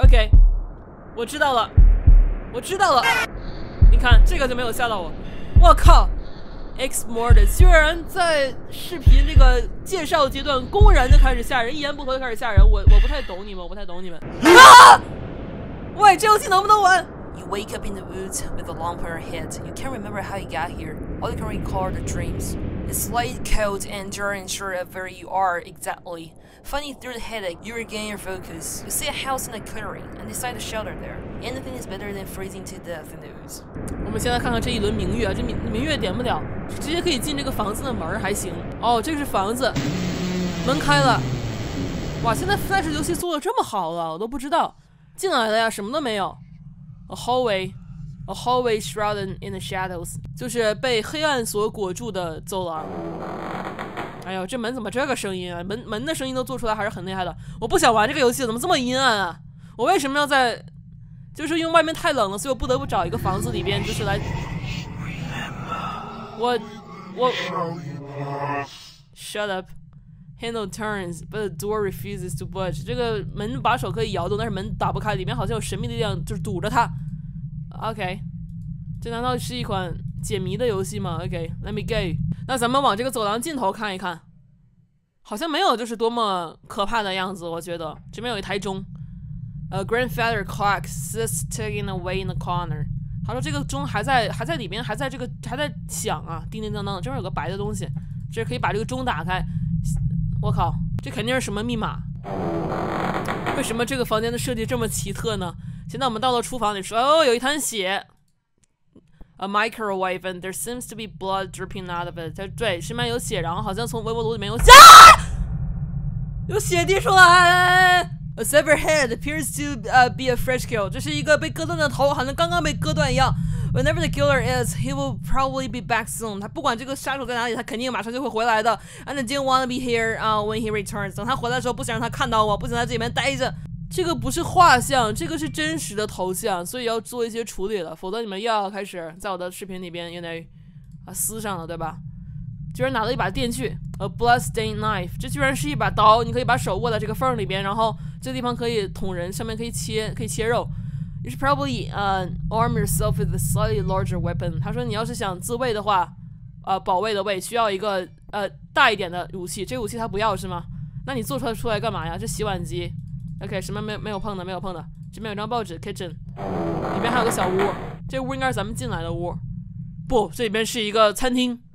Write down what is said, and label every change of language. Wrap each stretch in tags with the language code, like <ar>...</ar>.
<zh>OK， 我知道了，我知道了。你看这个就没有吓到我。我靠！ Ex Mortis 居然在视频这个介绍阶段公然就开始吓人，一言不合就开始吓人，我不太懂你们，我不太懂你们。啊！喂，这游戏能不能玩</zh> <en>？You wake up in the woods with a lump on your head. You can't remember how you got here. All you can recall are the dreams. It's light, cold, and you're unsure of where you are exactly. Finding through the headache, you regain your focus. You see a house in a clearing and decide to shelter there. Anything is better than freezing to death in the woods.</en> <zh>我们先来看看这一轮明月啊，这明月点不了，直接可以进这个房子的门还行。哦，这个是房子，门开了。哇，现在 Flash 游戏做的这么好了，我都不知道。进来了呀，什么都没有。</zh> <en>A hallway shrouded in the shadows，</en> <zh>就是被黑暗所裹住的走廊。哎呦，这门怎么这个声音啊？门的声音都做出来，还是很厉害的。我不想玩这个游戏，怎么这么阴暗啊？我为什么要在？就是因为外面太冷了，所以我不得不找一个房子里边，就是来。我。</zh> <en>Shut up. Handle turns, but the door refuses to budge.</en> <zh>这个门把手可以摇动，但是门打不开，里面好像有神秘力量，就是堵着它。 OK， 这难道是一款解谜的游戏吗 ？OK，</zh> <en>let me go。</en> <zh>那咱们往这个走廊尽头看一看，好像没有就是多么可怕的样子。我觉得这边有一台钟 ，</zh> <en>A grandfather clock sits ticking away in the corner。</en> <zh>他说这个钟还在里面，还在响啊，叮叮当当的。这边有个白的东西，这可以把这个钟打开。我靠，这肯定是什么密码？为什么这个房间的设计这么奇特呢？现在我们到了厨房里，说哦，有一滩血。</zh> <en>A microwave and there seems to be blood dripping out of it.</en> <zh>对，身边有血，然后好像从微波炉里面有血，有血滴出来。</zh> <en>A severed head appears to be a fresh kill.</en> <zh>这是一个被割断的头，好像刚刚被割断一样。</zh> <en>Whenever the killer is, he will probably be back soon.</en> <zh>他不管这个杀手在哪里，他肯定马上就会回来的。 And I didn't want to be here when he returns. 等他回来的时候，不想让他看到我，不想在这里面待着。这个不是画像，这个是真实的头像，所以要做一些处理了，否则你们又要开始在我的视频里边，</zh> <en>you know，</en> <zh>撕上了，对吧？居然拿了一把电锯 ，</zh> <en>a bloodstained knife，</en> <zh>这居然是一把刀，你可以把手握在这个缝里边，然后这地方可以捅人，上面可以切，可以切肉。</zh> <en>You should probably arm yourself with a slightly larger weapon。</en> <zh>他说你要是想自卫的话，保卫的卫，需要一个大一点的武器。这武器他不要是吗？那你做出来干嘛呀？这洗碗机 ，OK， 什么没有碰的，没有碰的。这边有张报纸 ，kitchen， 里面还有个小屋，这屋应该是咱们进来的屋，不，这里面是一个餐厅。</zh>